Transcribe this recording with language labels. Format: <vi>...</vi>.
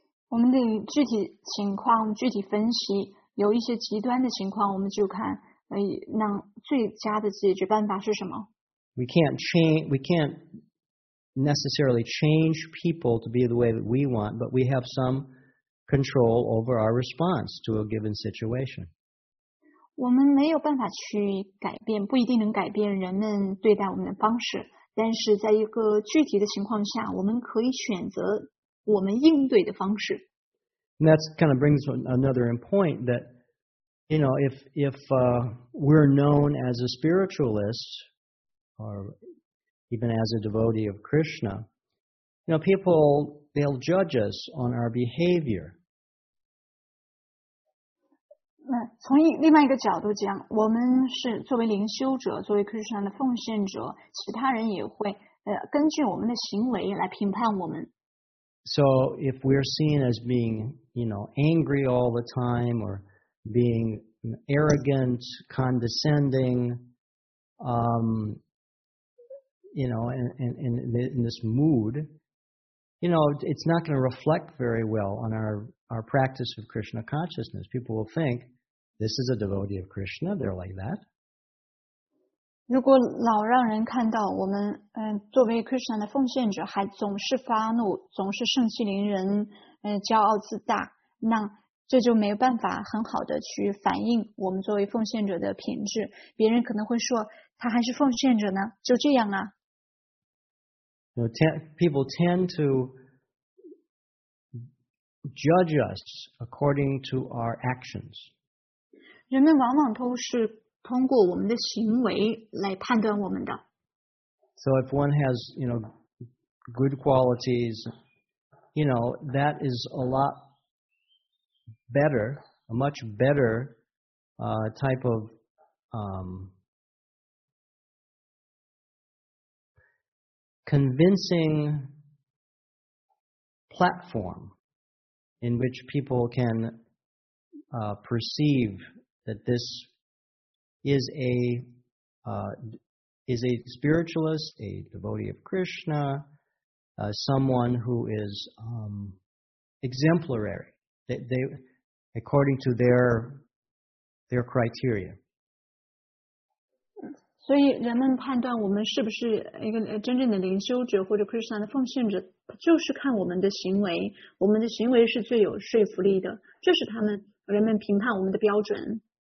<zh>我们得具体情况具体分析，有一些极端的情况，我们就看，那最佳的解决办法是什么。</zh> <en>We can't necessarily change people to be the way that we want, but we have some control over our response to a given situation.</en> <zh>我们没有办法去改变，不一定能改变人们对待我们的方式，但是在一个具体的情况下，我们可以选择我们应对的方式。</zh> <en>And that kind of brings another point that, you know, if we're known as a spiritualist, or... even as a devotee of Krishna, you know, people, they'll judge us on our behavior.</en> <zh>从另外一个角度讲，我们是作为灵修者，作为 Krishna 的奉献者，其他人也会根据我们的行为来评判我们。</zh> <en>So if we're seen as being, you know, angry all the time or being arrogant, condescending, you know, in this mood, you know, it's not going to reflect very well on our practice of Krishna consciousness. People will think, this is a devotee of Krishna, they're like that.</en> <zh>如果老让人看到我们作为 Krishna 的奉献者还总是发怒总是盛气凌人骄傲自大那这就没有办法很好的去反映我们作为奉献者的品质。别人可能会说他还是奉献者呢就这样啊。</zh> <en>You know, people tend to judge us according to our actions.</en> <zh>人们往往都是通过我们的行为来判断我们的。</zh> <en>So if one has, you know, good qualities, you know, that is a lot better, a much better type of... convincing platform in which people can perceive that this is a spiritualist, a devotee of Krishna, someone who is exemplary, they, according to their criteria.</en> <zh>所以人们判断我们是不是一个真正的灵修者或者 Krishna 的奉献者就是看我们的行为我们的行为是最有说服力的这是他们人们评判我们的标准</zh>